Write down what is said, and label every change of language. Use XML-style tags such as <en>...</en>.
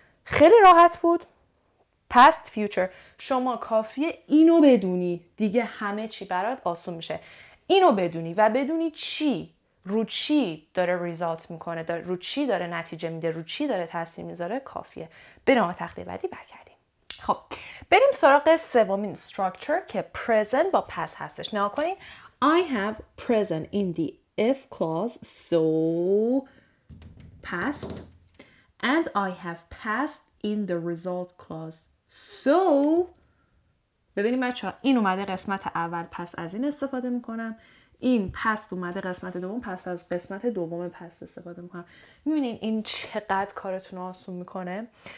<fa>خیلی راحت بود. Past future، شما کافیه اینو بدونی دیگه همه چی برات آسون میشه. اینو بدونی و بدونی چی رو چی داره ریزالت میکنه، رو چی داره نتیجه میده، رو چی داره تاثیر میذاره، کافیه. بریم تخته بعدی برگردیم. خب بریم سراغ سومین استراکچر که present با past هستش. نگاه کنین،</fa> <en>I have present in the if clause so past and I have past in the result clause so.</en> <fa>ببینیم بچه ها این اومده قسمت اول، پس از این استفاده میکنم. این پست اومده قسمت دوم، پس از قسمت دوم پست استفاده میکنم. میبینین این چقدر کارتون آسون میکنه.</fa>